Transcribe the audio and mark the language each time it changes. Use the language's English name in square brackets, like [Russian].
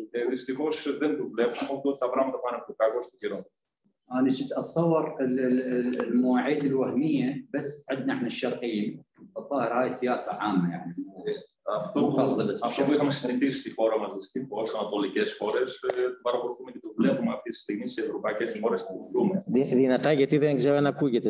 [Greek] Δυστυχώς δεν το βλέπουμε, όμως τα πράγματα πάνε από το κακό στο καιρό. [Arabic] أنا كنت أتصور المواعيد الوهمية بس عندنا إحنا الشرقيين الظاهر هاي سياسة عامة يعني. [Greek] Αυτό που είχαμε συνηθίσει στη χώρα μας, στις τύπους, ανατολικές χώρες, το παρακολουθούμε και το βλέπουμε αυτή τη στιγμή σε ευρωπαϊκές χώρες που ζούμε. Δυνατά, γιατί δεν ξέρω αν ακούγεται.